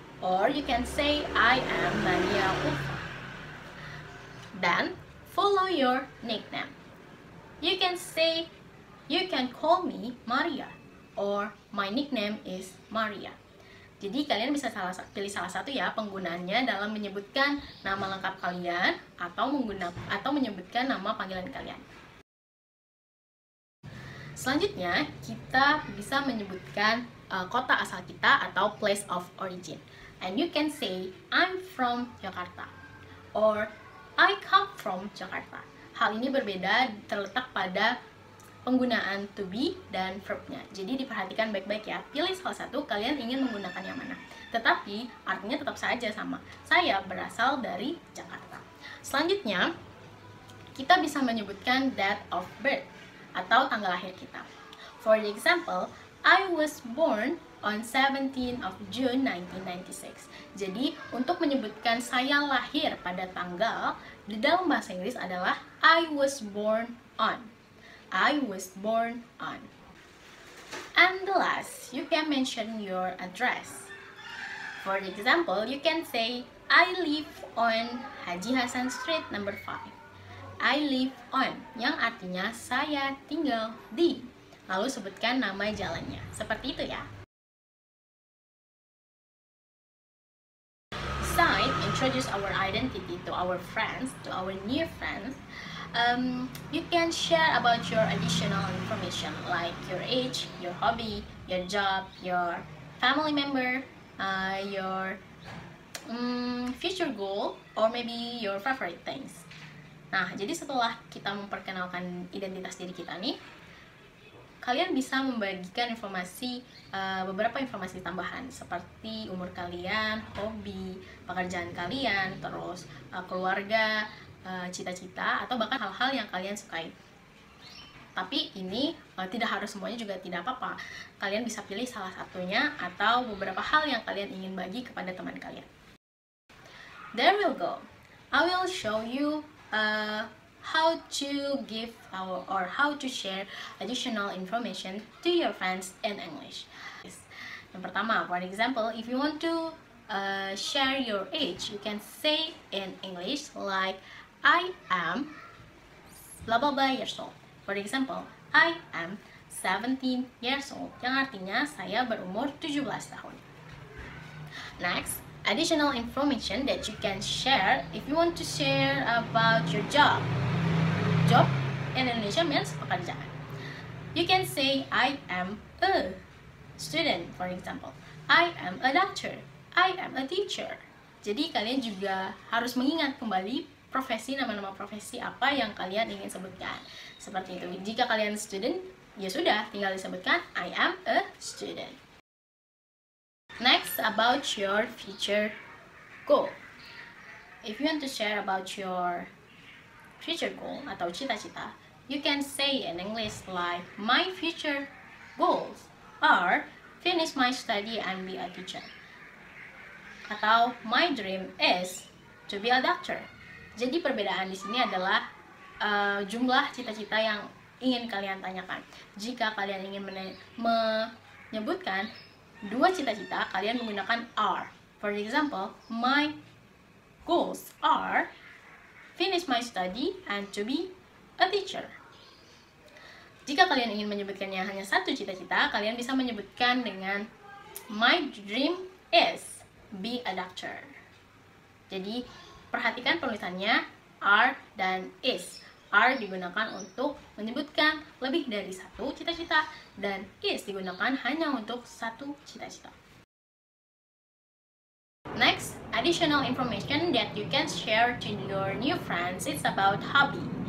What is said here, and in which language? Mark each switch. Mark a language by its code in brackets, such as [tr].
[en] Or you can say, I am Maria Ulfah. Then, follow your nickname. You can say, you can call me Maria. Or, my nickname is Maria. [id] Jadi, kalian bisa pilih salah satu ya penggunaannya dalam menyebutkan nama lengkap kalian atau menyebutkan nama panggilan kalian. Selanjutnya, kita bisa menyebutkan kota asal kita atau [en] place of origin. And you can say, I'm from Jakarta. Or, I come from Jakarta. [id] Hal ini berbeda terletak pada penggunaan to be dan verb-nya. Jadi diperhatikan baik-baik ya. Pilih salah satu, kalian ingin menggunakan yang mana. Tetapi, artinya tetap saja sama. Saya berasal dari Jakarta. Selanjutnya, kita bisa menyebutkan date of birth atau tanggal lahir kita. [en] For example, I was born on 17th of June 1996. [id] Jadi, untuk menyebutkan saya lahir pada tanggal, di dalam bahasa Inggris adalah [en] I was born on. I was born on. And the last, you can mention your address. For example, you can say I live on Haji Hasan Street number 5. I live on, [id] yang artinya saya tinggal di. Lalu sebutkan nama jalannya. Seperti itu ya. [en] Introduce our identity to our friends, to our new friends. You can share about your additional information like your age, your hobby, your job, your family member, your future goal, or maybe your favorite things. [id] Nah, jadi setelah kita memperkenalkan identitas diri kita nih, kalian bisa membagikan informasi, beberapa informasi tambahan seperti umur kalian, hobi, pekerjaan kalian, terus keluarga, cita-cita, atau bahkan hal-hal yang kalian sukai. Tapi ini tidak harus semuanya, juga tidak apa-apa. Kalian bisa pilih salah satunya atau beberapa hal yang kalian ingin bagi kepada teman kalian. [en] There we go. I will show you how to give or how to share additional information to your friends in English. [id] Yang pertama, [en] for example, if you want to share your age, you can say in English like I am blah blah blah years old. For example, I am 17 years old, [id] yang artinya saya berumur 17 tahun. [en] Next, additional information that you can share if you want to share about your job. Job in Indonesia means pekerjaan. You can say I am a student, for example. I am a doctor. I am a teacher. [id] Jadi kalian juga harus mengingat kembali profesi, nama-nama profesi apa yang kalian ingin sebutkan. Seperti itu. Jika kalian student, ya sudah, tinggal disebutkan [en] I am a student. Next, about your future goal. If you want to share about your future goal [id] atau cita-cita, [en] you can say in English like my future goals are finish my study and be a teacher. [id] Atau [en] my dream is to be a doctor. [id] Jadi perbedaan di sini adalah jumlah cita-cita yang ingin kalian tanyakan. Jika kalian ingin menyebutkan dua cita-cita, kalian menggunakan are. [en] For example, my goals are finish my study and to be a teacher. [id] Jika kalian ingin menyebutkannya hanya satu cita-cita, kalian bisa menyebutkan dengan [en] my dream is be a doctor. [id] Jadi, perhatikan penulisannya are dan is. Are digunakan untuk menyebutkan lebih dari satu cita-cita dan is digunakan hanya untuk satu cita-cita. [en] Next, additional information that you can share to your new friends is about hobby.